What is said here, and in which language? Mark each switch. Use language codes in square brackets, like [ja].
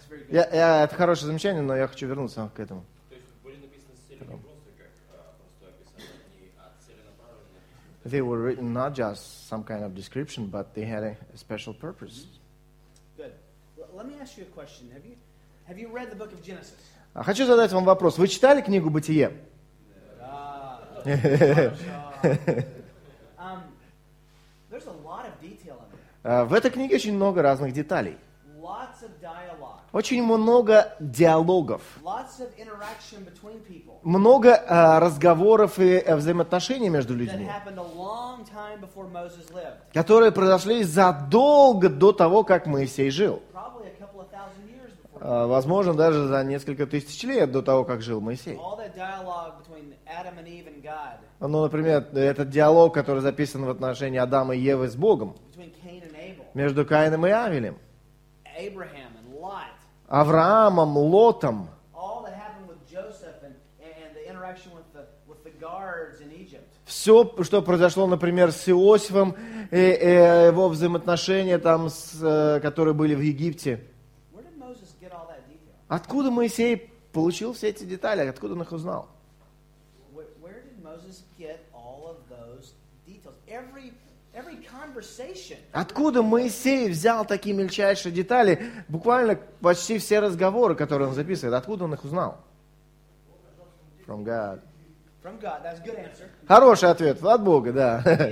[ru] Это хорошее замечание, но я хочу вернуться к этому. [en] They were written not just some kind of description, but they had a special purpose. Good. Well, let me ask you a question. Have you read the book of Genesis? [ru] Хочу задать вам вопрос. Вы читали книгу «Бытие»? Да. [en] There's a lot of detail in there. [ru] В этой книге очень много разных деталей. [en] Lots of dialogue. [ru] Очень много диалогов. [en] Lots of interaction between people. [ru] Много разговоров и взаимоотношений между людьми, [en] that happened a long time before Moses lived. [ru] Которые произошли задолго до того, как Моисей жил. [en] Probably a couple of thousand years before. [ru] Возможно, даже за несколько тысяч лет до того, как жил Моисей. [en] All that dialogue between Adam and Eve and God. [ru] Ну, например, этот диалог, который записан в отношении Адама и Евы с Богом. [en] Between Cain and Abel. [ru] Между Каином и Авелем. [en] Abraham and Lot. [ru] Авраамом, Лотом. [en] All that happened with Joseph and the interaction with the guards in Egypt. [ru] Все, что произошло, например, с Иосифом и его взаимоотношения там, которые были в Египте. [en] Where did Moses get all that detail? [ru] Откуда Моисей получил все эти детали? Откуда он их узнал? [en] Where did Moses get all of those details? Every conversation. [ru] Откуда Моисей взял такие мельчайшие детали, буквально почти все разговоры, которые он записывает, откуда он их узнал? [en] From God. From God, that's a good answer. [ru] Хороший ответ, от Бога, да.